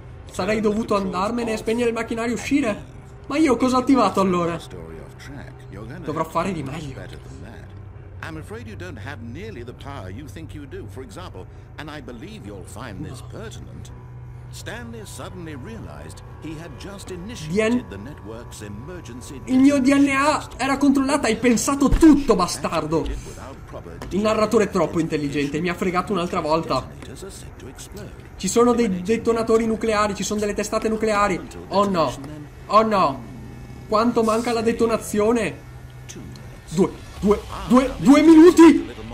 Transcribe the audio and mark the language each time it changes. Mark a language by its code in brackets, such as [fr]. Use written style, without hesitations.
[it] Sarei dovuto andarmene e spegnere il macchinario e uscire? Ma io cosa ho attivato allora? Dovrò fare di meglio. [en] I'm afraid you don't have nearly the power you think you do. For example, and I believe you'll find this pertinent. Stanley suddenly realized he had just initiated the network's emergency. [it] Il mio DNA era controllato, hai pensato tutto, bastardo. Il narratore è troppo intelligente, mi ha fregato un'altra volta. Ci sono dei detonatori nucleari, ci sono delle testate nucleari. Oh no. Oh no. Quanto manca la detonazione? Due minuti!